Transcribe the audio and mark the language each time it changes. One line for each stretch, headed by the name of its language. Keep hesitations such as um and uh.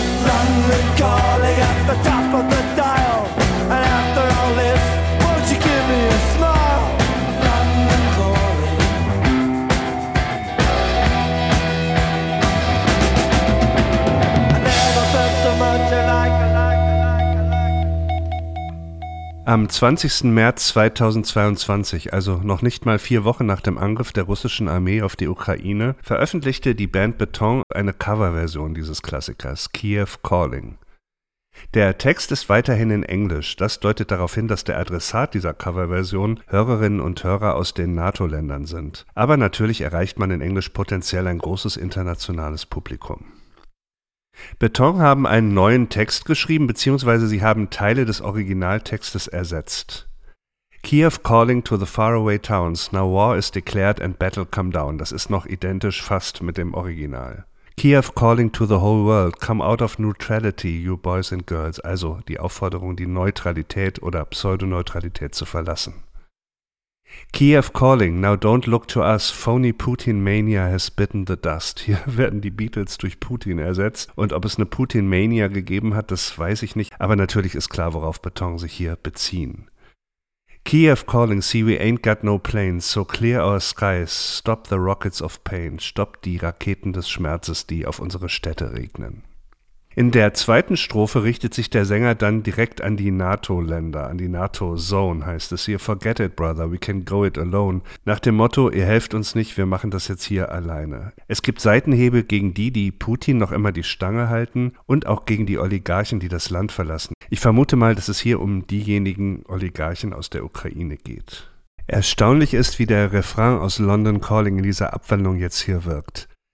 English: London calling at the top of the dial. And after all this, won't you give me a smile? London calling. I never felt so much alike, alike, alike, alike.
German: Am 20. März 2022, also noch nicht mal vier Wochen nach dem Angriff der russischen Armee auf die Ukraine, veröffentlichte die Band Beton eine Coverversion dieses Klassikers, Kiew Calling. Der Text ist weiterhin in Englisch. Das deutet darauf hin, dass der Adressat dieser Coverversion Hörerinnen und Hörer aus den NATO-Ländern sind. Aber natürlich erreicht man in Englisch potenziell ein großes internationales Publikum. Beton haben einen neuen Text geschrieben, beziehungsweise sie haben Teile des Originaltextes ersetzt.
English: Kiew calling to the faraway towns, now war is declared and battle come down.
German: Das ist noch identisch fast mit dem Original.
English: Kiew calling to the whole world, come out of neutrality, you boys and girls.
German: Also die Aufforderung, die Neutralität oder Pseudoneutralität zu verlassen.
English: Kiev Calling, now don't look to us, phony Putin Mania has bitten the dust.
German: Hier werden die Beatles durch Putin ersetzt und ob es eine Putin Mania gegeben hat, das weiß ich nicht, aber natürlich ist klar, worauf Beton sich hier beziehen.
English: Kiev Calling, see we ain't got no planes, so clear our skies, stop the rockets of pain,
German: stoppt die Raketen des Schmerzes, die auf unsere Städte regnen. In der zweiten Strophe richtet sich der Sänger dann direkt an die NATO-Länder, an die NATO-Zone heißt es hier.
English: Forget it, brother, we can go it alone.
German: Nach dem Motto, ihr helft uns nicht, wir machen das jetzt hier alleine. Es gibt Seitenhebel gegen die, die Putin noch immer die Stange halten und auch gegen die Oligarchen, die das Land verlassen. Ich vermute mal, dass es hier um diejenigen Oligarchen aus der Ukraine geht. Erstaunlich ist, wie der Refrain aus London Calling in dieser Abwandlung jetzt hier wirkt.